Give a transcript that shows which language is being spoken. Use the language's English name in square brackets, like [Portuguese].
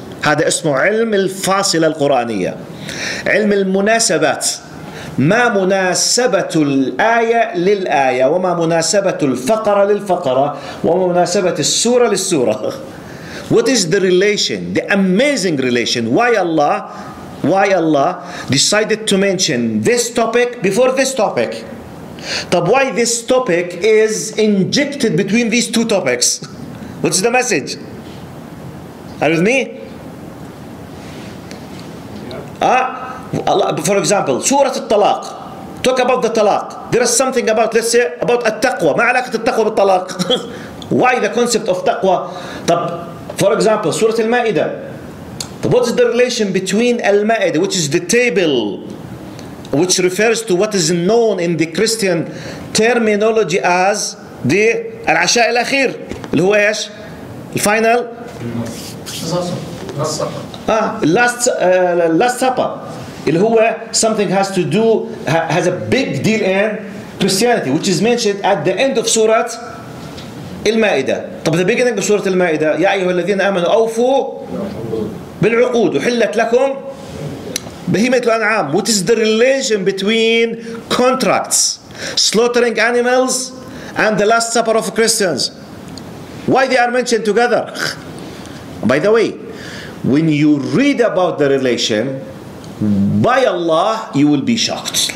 [Arabic] هذا اسمه علم الفاصلة القرآنية. علم المناسبات، ما مناسبة الآية للآية، وما مناسبة الفقرة للفقرة، وما مناسبة السورة للسورة. [English] What is the relation, the amazing relation? Why Allah decided to mention this topic before this topic? طب why this topic is injected between these two topics? What's the message? Are you with me? Allah, for example, Surah At-Talaq. Talk about the talaq. There is something about, let's say, about At-Taqwa. [Arabic] ما علاقة التقوى بالطلاق؟ [English] Why the concept of taqwa? طب for example, Surah Al-Ma'idah. What is the relation between Al-Ma'idah, which is the table, which refers to what is known in the Christian terminology as the Al-Asha' Al-Akhir, [Arabic] اللي هو إيش؟ [English] Final? Last Supper. [Arabic] اللي هو [English] something has to do, has a big deal in Christianity, which is mentioned at the end of Surah المائدة. [Arabic] طب [English] the beginning of [Arabic] سورة المائدة، يا أيها الذين آمنوا أوفوا بالعقود وحلت لكم بهيمة الأنعام. [English] What is the relation between contracts, slaughtering animals and the last supper of Christians? Why they are mentioned together? By the way, when you read about the relation by Allah, you will be shocked.